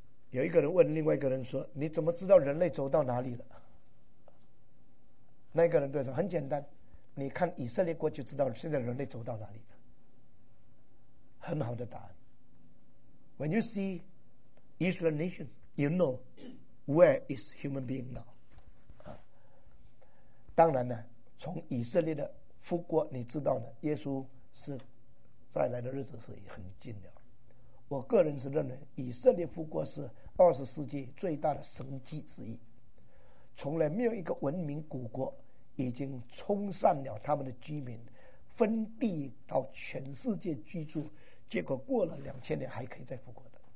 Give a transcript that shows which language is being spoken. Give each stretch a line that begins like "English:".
Chinese: 有一个人问另外一个人说，你怎么知道人类走到哪里了？那个人对说，很简单，你看以色列国就知道现在人类走到哪里了。很好的答案。
English: When you see Israel nation, you know where is human being now。
Chinese: 当然呢，从以色列的复国你知道呢，耶稣是再来的日子是很近了。我个人是认为以色列复国是二十世纪最大的神迹之一，从来没有一个文明古国已经冲散了他们的居民，分地到全世界居住，结果过了两千年还可以再复国的。